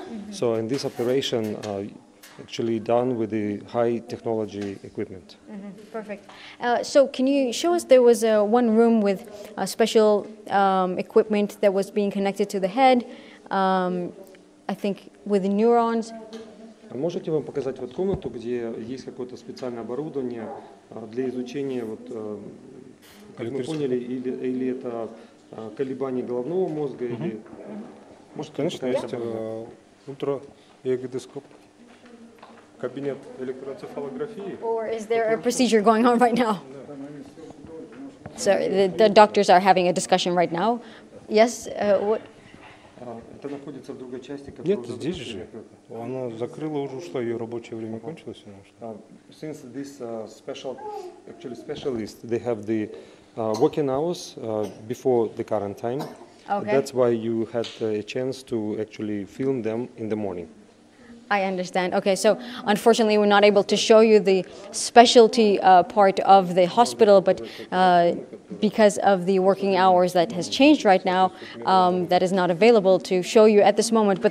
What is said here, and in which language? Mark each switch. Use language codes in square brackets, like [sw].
[en] So in this operation actually done with the high technology equipment. Mm-hmm. Perfect. So can you show us, there was one room with a special equipment that was being connected to the head, I think with the neurons. [ru] Можете вам показать вот комнату, где есть какое-то специальное оборудование для изучения, вот, как мы поняли, или это колебаний головного мозга, mm-hmm. или... Mm-hmm. Может, конечно, есть ультра ЭГД-скоп. Кабинет электроэнцефалографии. [en] Or is there a procedure going on right now? No. So the doctors are having a discussion right now. Yes, what? [ru] Это находится в другой части, которая... Нет, здесь же. Она закрыла уже, что ее рабочее время кончилось. [en] Since this special, actually specialist, they have the working hours before the current time. Okay. That's why you had a chance to actually film them in the morning. I understand. Okay, so unfortunately, we're not able to show you the specialty part of the hospital, but because of the working hours that has changed right now, that is not available to show you at this moment.